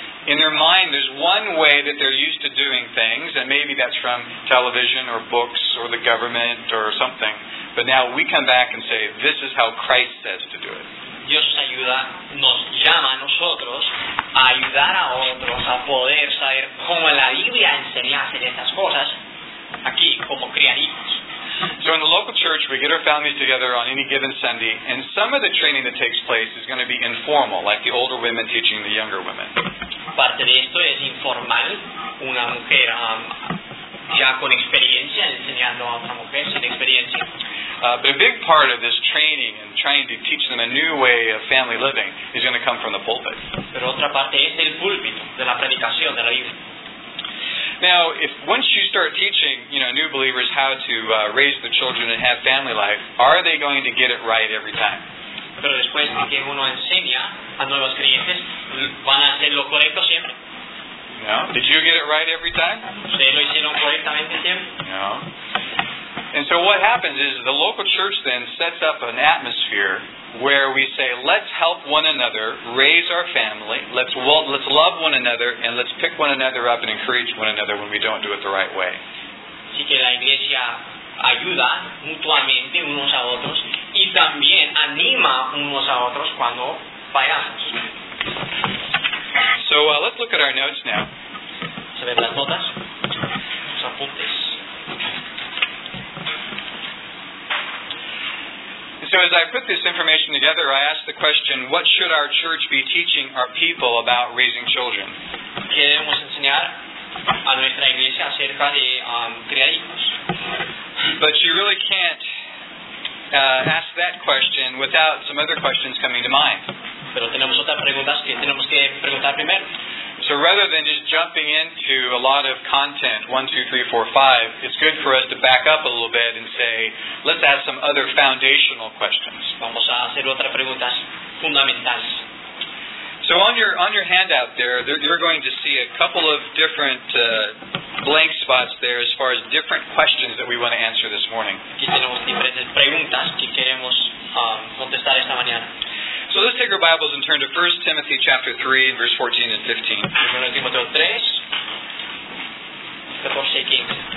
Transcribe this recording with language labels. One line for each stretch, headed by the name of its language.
English: In their mind, there's one way that they're used to doing things, and maybe that's from television or books or the government or something. But now we come back and say, this is how Christ says to do it.
Spanish: Dios ayuda, nos llama a nosotros a ayudar a otros a poder saber cómo la Biblia enseña a hacer estas cosas aquí, como criar hijos.
English: So in the local church, we get our families together on any given Sunday, and some of the training that takes place is going to be informal, like the older women teaching the younger women.
Spanish: Parte de esto es informal, una mujer ya con experiencia enseñando a otra mujer sin experiencia.
English: But a big part of this training and trying to teach them a new way of family living is going to come from the pulpit.
Spanish: Pero otra parte es el púlpito, de la predicación, de la Biblia.
English: Now, once you start teaching, you know, new believers how to raise the children and have family life, are they going to get it right every time?
Spanish: Pero después de que uno enseña a nuevos creyentes, ¿van a hacer lo correcto siempre?
English: No. Did you get it right every time?
Spanish: ¿Ustedes lo hicieron correctamente siempre?
English: No. And so what happens is the local church then sets up an atmosphere where we say, let's help one another raise our family, let's love one another, and let's pick one another up and encourage one another when we don't do it the right way.
Spanish: Así que la iglesia ayuda mutuamente unos a otros y también anima unos a otros cuando fallamos.
English: So let's look at our notes now.
Spanish: ¿Se ven las notas? Los apuntes.
English: So as I put this information together, I asked the question, what should our church be teaching our people about raising children?
Spanish: ¿Qué debemos enseñar a nuestra iglesia acerca de criar hijos?
English: But you really can't ask that question without some other questions coming to mind.
Spanish: Pero tenemos otras preguntas que tenemos que preguntar primero.
English: So rather than just jumping into a lot of content, 1, 2, 3, 4, 5, it's good for us to back up a little bit and say, let's ask some other foundational questions.
Spanish: Vamos a hacer otras preguntas fundamentales.
English: So on your handout there, you're going to see a couple of different blank spots there as far as different questions that we want to answer this morning.
Spanish: Aquí tenemos diferentes preguntas que queremos contestar esta mañana.
English: So let's take our Bibles and turn to 1 Timothy chapter 3, verse 14 and 15. 1 Timothy 3, 14 and 15.